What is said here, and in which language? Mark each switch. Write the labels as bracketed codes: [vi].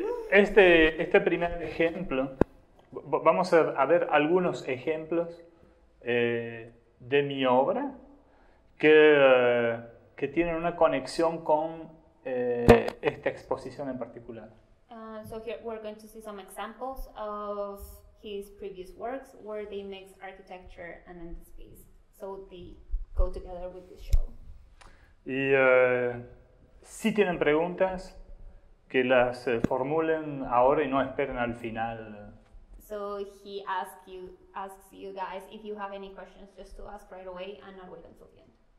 [es] Este primer ejemplo, vamos a ver algunos ejemplos de mi obra que tienen una conexión con esta exposición en particular. [en] So here we're going to see some examples of his previous works where they mix architecture and then the space. So they go together with this show. [es] Y si tienen preguntas, que las formulen ahora y no esperen al final. [en] So he asks you guys if you have any questions, just to ask right away and not wait until the end.